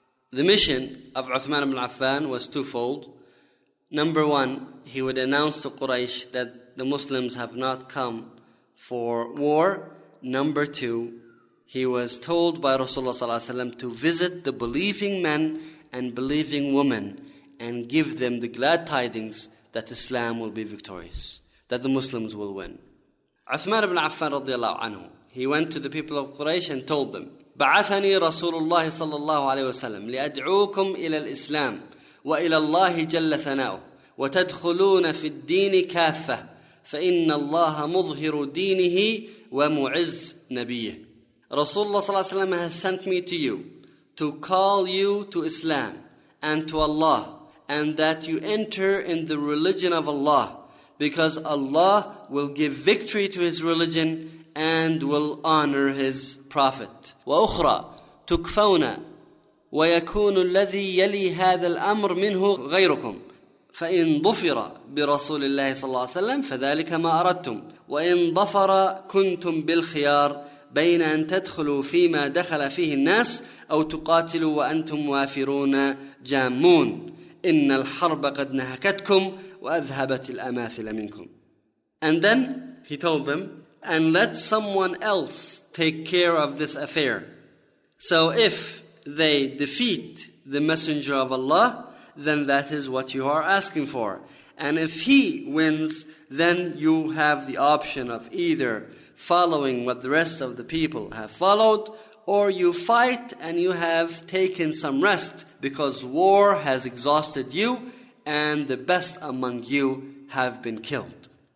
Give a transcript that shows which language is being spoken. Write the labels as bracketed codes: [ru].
[en] The mission of Uthman ibn Affan was twofold. Number one, he would announce to Quraysh that the Muslims have not come for war. Number two, he was told by Rasulullah ﷺ to visit the believing men and believing women and give them the glad tidings that Islam will be victorious, that the Muslims will win. Uthman ibn Affan radiallahu anhu, he went to the people of Quraysh and told them, [ar] "بعثني رسول الله صلى الله عليه وسلم لأدعوكم إلى الإسلام وإلى الله جل ثناؤه وتدخلون في الدين كافة فإن الله مظهر دينه ومعز نبيه." رسول الله صلى الله عليه وسلم [en] has sent me to you to call you to Islam and to Allah, and that you enter in the religion of Allah, because Allah will give victory to his religion and will honor his prophet. [ar] وأخرى تكفون ويكون الذي يلي هذا الأمر منه غيركم فإن ضفر برسول الله صلى الله عليه وسلم فذلك ما أردتم وإن ضفر كنتم بالخيار بين أن تدخلوا فيما دخل فيه الناس أو تقاتلوا وأنتم وافرون جامون إن الحرب قد نهكتكم وأذهبت الأماثل منكم. [en] And then he told them, and let someone else take care of this affair. So if they defeat the Messenger of Allah, then that is what you are asking for. And if he wins, then you have the option of either following what the rest of the people have followed, or you fight and you have taken some rest because war has exhausted you and the best among you have been killed.